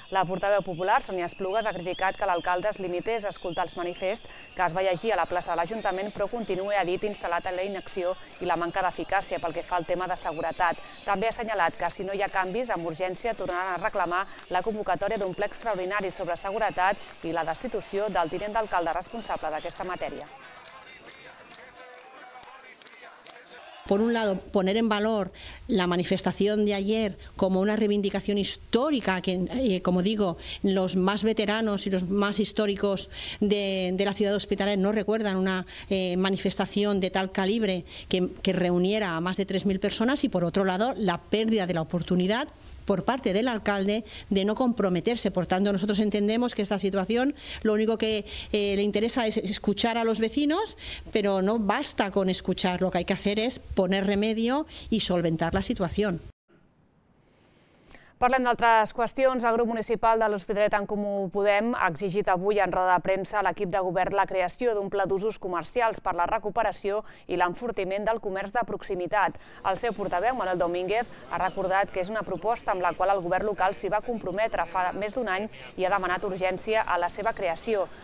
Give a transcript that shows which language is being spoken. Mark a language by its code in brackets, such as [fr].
[ca] La portaveu popular, Sònia Esplugues, ha criticat que l'alcalde es limités a escoltar els manifests que es va llegir a la plaça de l'Ajuntament, però continua, ha dit, instal·lat en la inacció i la manca d'eficàcia pel que fa al tema de seguretat. També ha assenyalat que, si no hi ha canvis, amb urgència tornaran a reclamar la convocatòria d'un ple extraordinari sobre seguretat i la destitució del tinent d'alcalde responsable d'aquesta matèria. [es] Por un lado, poner en valor la manifestación de ayer como una reivindicación histórica, que, como digo, los más veteranos y los más históricos de la ciudad de Hospitalet no recuerdan una manifestación de tal calibre que reuniera a más de 3.000 personas, y por otro lado, la pérdida de la oportunidad por parte del alcalde de no comprometerse. Por tanto, nosotros entendemos que esta situación lo único que le interesa es escuchar a los vecinos, pero no basta con escuchar, lo que hay que hacer es poner remedio y solventar la situación. [ca] Parlem d'altres qüestions. El grup municipal de l'Hospitalet en Comú Podem ha exigit avui en roda de premsa a l'equip de govern la creació d'un pla d'usos comercials per la recuperació i l'enfortiment del comerç de proximitat. El seu portaveu, Manuel Domínguez, ha recordat que és una proposta amb la qual el govern local s'hi va comprometre fa més d'un any i ha demanat urgència a la seva creació.